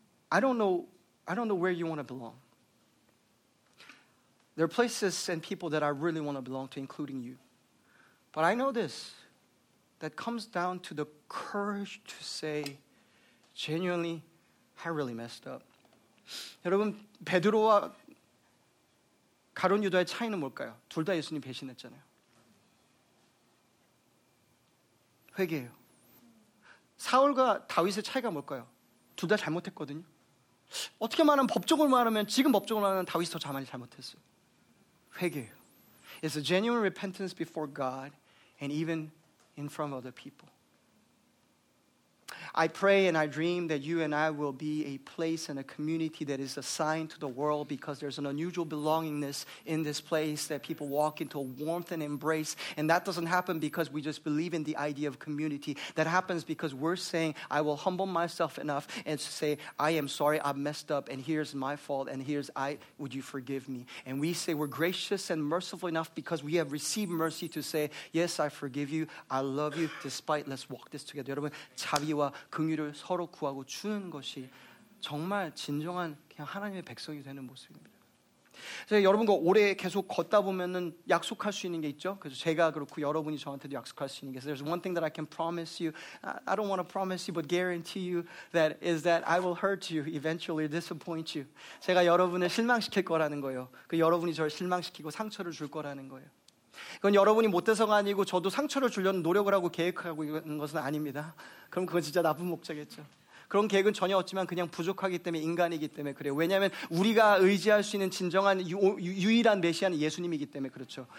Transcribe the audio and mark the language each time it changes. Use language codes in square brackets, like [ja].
[en] I don't know where you want to belong. There are places and people that I really want to belong to, including you. But I know this, that comes down to the courage to say, genuinely, I really messed up. [ko] 여러분, 베드로와 가룟 유다의 차이는 뭘까요? 둘 다 예수님 배신했잖아요. 회개예요. 사울과 다윗의 차이가 뭘까요? 둘 다 잘못했거든요. 어떻게 말하면 법적으로 말하면 지금 법적으로 말하면 다윗이 더 많이 잘못했어요. 회개예요. [en] It's a genuine repentance before God and even in front of other people. I pray and I dream that you and I will be a place and a community that is assigned to the world because there's an unusual belongingness in this place that people walk into a warmth and embrace. And that doesn't happen because we just believe in the idea of community. That happens because we're saying, I will humble myself enough and say, I am sorry, I messed up, and here's my fault, and here's I, would you forgive me? And we say we're gracious and merciful enough because we have received mercy to say, yes, I forgive you, I love you, despite, let's walk this together. [ko] 여러분, 자비와 긍휼을 서로 구하고 주는 것이 정말 진정한 그냥 하나님의 백성이 되는 모습입니다. 그래서 여러분과 오래 계속 걷다 보면은 약속할 수 있는 게 있죠. 그래서 제가 그렇고 여러분이 저한테도 약속할 수 있는 게 [en] There's one thing that I can promise you. I don't want to promise you but guarantee you that is that I will hurt you eventually disappoint you. [ko] 제가 여러분을 실망시킬 거라는 거예요. 그 여러분이 저를 실망시키고 상처를 줄 거라는 거예요. 그건 여러분이 못돼서가 아니고 저도 상처를 주려는 노력을 하고 계획하고 있는 것은 아닙니다. 그럼 그건 진짜 나쁜 목적이겠죠. 그런 계획은 전혀 없지만 그냥 부족하기 때문에 인간이기 때문에 그래요. 왜냐하면 우리가 의지할 수 있는 진정한 유일한 메시아는 예수님이기 때문에 그렇죠.